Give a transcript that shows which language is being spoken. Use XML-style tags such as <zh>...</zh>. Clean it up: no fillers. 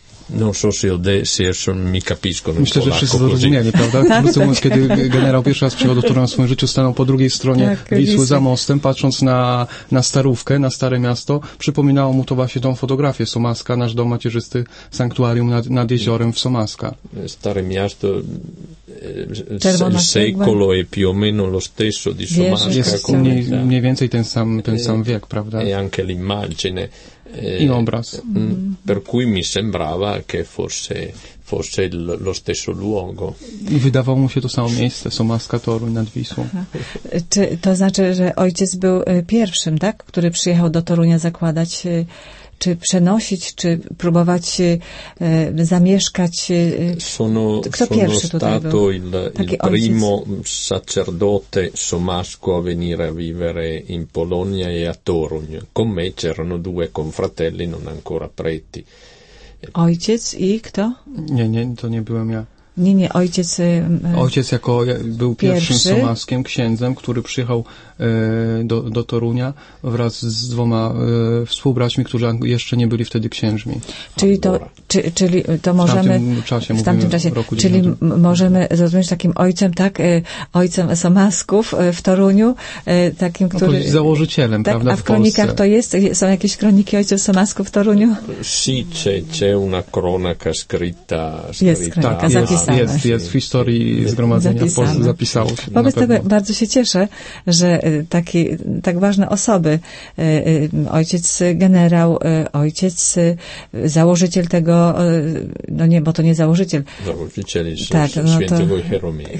<pl>No, co się jeszcze</pl> <it>mi capisco.</it> <pl>Myślę, że wszyscy to rozumieli, prawda? Mówiąc, kiedy generał pierwszy raz przyjechał do Torunia w swoim życiu, stanął po drugiej stronie Wisły za mostem, patrząc na starówkę, na stare miasto, przypominało mu to właśnie tą fotografię Somaska, nasz dom macierzysty, sanktuarium nad jeziorem w Somaska. Stare miasto,</pl> <it>secolo e più o meno lo stesso di Somaska.</it> <pl>Jest mniej więcej ten sam wiek, prawda?</pl> <it>E anche l'immagine.</it> <pl>I obraz.</pl> <it>Per cui mi sembrava che fosse lo stesso luogo.</it> <pl>I wydawało mu się to samo miejsce, Somaska, Toruń nad Wisłą. Czy to znaczy, że ojciec był pierwszym, tak, który przyjechał do Torunia zakładać, czy przenosić, czy próbować zamieszkać? Kto pierwszy tutaj był?</pl> <it>Sono stato il primo sacerdote somasco a venire a vivere in Polonia e a Toruń. Con me c'erano due confratelli, non ancora preti.</it> <pl>Ojciec i kto? Nie, to nie byłem ja. Nie, ojciec... Ojciec jako był pierwszym somaskiem, księdzem, który przyjechał do Torunia wraz z dwoma współbraćmi, którzy jeszcze nie byli wtedy księżmi. Czyli to możemy... W tamtym czasie, roku 90. Czyli możemy zrozumieć takim ojcem, tak? Ojcem somasków w Toruniu, takim, który... No, założycielem, tak, prawda, a w kronikach Polsce. To jest? Są jakieś kroniki ojców somasków w Toruniu?</pl> <it>Sì, c'è una cronaka scritta.</it> <pl>Jest kronika, tak, Jest w historii zgromadzenia zapisało się. Wobec tego bardzo się cieszę, że tak ważne osoby, ojciec generał, ojciec założyciel tego, no nie, bo to nie założyciel. Założyciel jest tak, no święty Hieronim.</pl>